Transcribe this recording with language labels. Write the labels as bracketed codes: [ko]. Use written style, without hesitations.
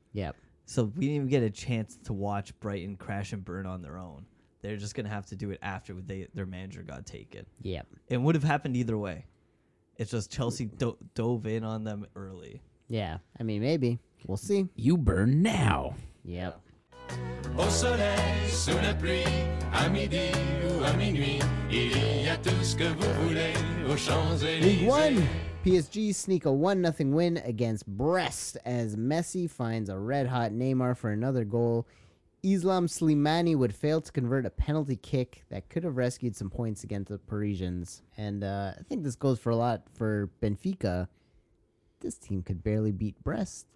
[en] Yep. So we didn't even get a chance to watch Brighton crash and burn on their own. They're just going to have to do it after their manager got taken. Yep. It would have happened either way. It's just Chelsea dove in on them early. Yeah. I mean, maybe. We'll see. You burn now. Yep. [fr] Au soleil, sous la pluie, à midi ou à minuit, il y a tout ce que vous voulez aux Champs-Élysées. [en] League One. PSG sneak a 1-0 win against Brest as Messi finds a red-hot Neymar for another goal. Islam Slimani would fail to convert a penalty kick that could have rescued some points against the Parisians. And I think this goes for a lot for Benfica. This team could barely beat Brest.